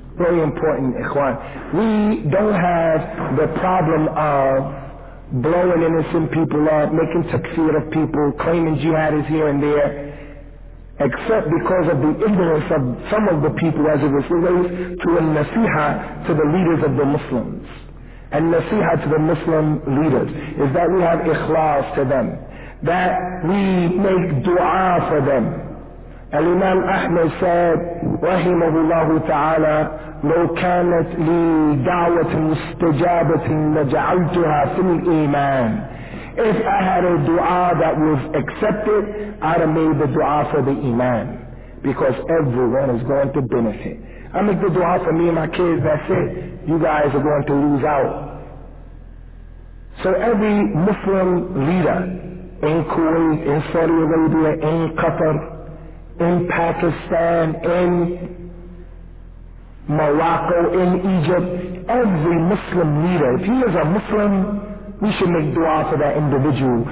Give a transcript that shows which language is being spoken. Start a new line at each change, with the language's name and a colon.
English: Very important, ikhwan. We don't have the problem of blowing innocent people up, making takfir of people, claiming jihad is here and there, except because of the ignorance of some of the people as it relates to a nasiha to the leaders of the Muslims. And nasiha to the Muslim leaders is that we have ikhlas to them, that we make dua for them. Al-Imam Ahmad said, rahimahullahu ta'ala,
Arabic: لو كانت لي دعوة مستجابة لجعلتها في الإيمان.
English: If I had a dua that was accepted, I'd have made the dua for the iman. Because everyone is going to benefit. I make the dua for me and my kids, that's it. You guys are going to lose out. So every Muslim leader in Kuwait, in Saudi Arabia, in Qatar, in Pakistan, in Morocco, in Egypt, every Muslim leader, if he is a Muslim, we should make dua for that individual.